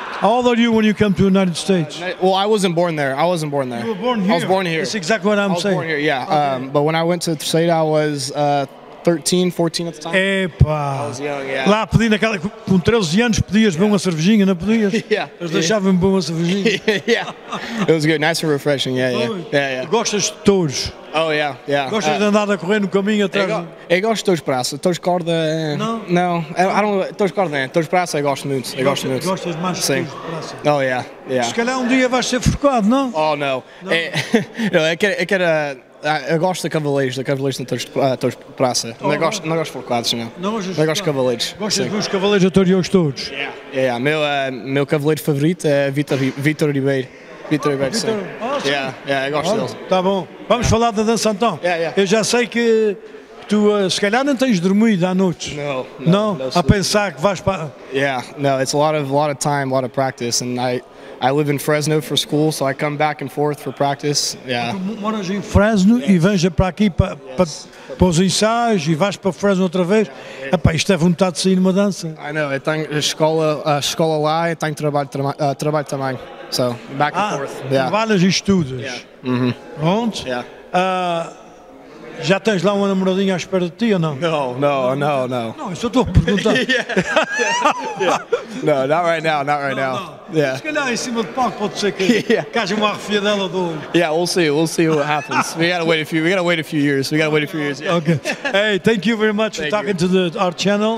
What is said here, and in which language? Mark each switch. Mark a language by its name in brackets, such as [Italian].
[English] How old are you when you came to the United States? Well, I wasn't born there. You were born here? I was born here. That's exactly what I'm saying. I was born here, yeah. Okay. But when I went to Terceira, I was 13, 14 at the time. [Portuguese] Epa! [English] I was young, yeah. [Portuguese] Lá pedi naquela... Com 13 anos podias beber uma cervejinha, não podias? [English] Yeah. [Portuguese] Eles deixavam-me beber uma cervejinha. [English] Yeah. It was good. Nice and refreshing, yeah, yeah. Yeah. [Portuguese] Gostas de touros? [English] Oh, yeah, yeah. [Portuguese] Gostas de andar a correr no caminho atrás? Eu gosto de touros de praça. Touros de corda... Não? Não. Touros de corda, é. Touros de praça eu gosto muito. Eu gosto muito. Gostas mais de touros de praça? [English] Oh, yeah, yeah. [Portuguese] Se calhar um dia vais ser forcado, não? Oh, não. Não, eu quero... Eu gosto de cavaleiros na touros de praça. Oh, não gosto de forcados, não. Não gosto de cavaleiros. Gostas de ver os cavaleiros a touros e aos touros? [English] Yeah. Yeah, [Portuguese] meu cavaleiro favorito é Vítor Ribeiro. Vítor Ribeiro, sim. [English] Awesome. [Portuguese] Eu gosto dele. Tá bom. Vamos falar da dança então. [English] Yeah. [Portuguese] Eu já sei que tu, se calhar, não tens dormido à noite. Não. A pensar que vais para... [English] Yeah, no, it's a lot of time, a lot of practice, and I live in Fresno for school, so I come back and forth for practice. Yeah. [Portuguese] Moras em Fresno, [English] yes. [Portuguese] E vens para aqui para os ensaios e vais para Fresno outra vez. [English] Yeah. [Portuguese] Epá, isto é vontade de sair numa dança. [English] I know, [Portuguese] eu tenho a escola lá e tenho trabalho também. [English] So, back and forth. Yeah. [Portuguese] Trabalhas e estudas. [English] Yeah. Mm-hmm. [Portuguese] Pronto? [English] Yeah. [Portuguese] Já tens lá uma namoradinha à espera de ti ou não? Não. Não, isso eu estou a perguntar. [English] Yeah. Yeah. Not right now. Yeah. [Portuguese] Se calhar em cima do palco pode ser que haja uma arrefia dela do olho. [English] Yeah, we'll see what happens. We gotta wait a few years. Yeah. Okay. Hey, thank you very much for talking to our channel.